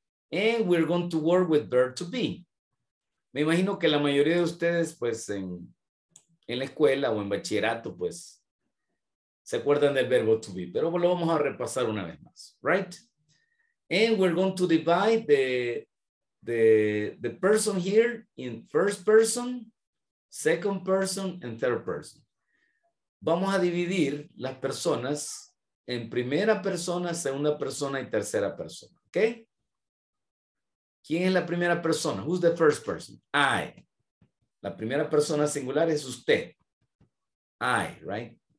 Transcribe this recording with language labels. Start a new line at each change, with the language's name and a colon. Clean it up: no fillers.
English: And we're going to work with verb to be.
Spanish: Me imagino que la mayoría de ustedes, pues, en la escuela o en bachillerato, pues, se acuerdan del verbo to be. Pero lo vamos a repasar una vez más, right?
English: And we're going to divide the person here in first person, second person, and third person.
Spanish: Vamos a dividir las personas en primera persona, segunda persona y tercera persona, ¿ok? ¿Quién es la primera persona?
English: Who's the first person?
Spanish: I. La primera persona singular es usted. I, right?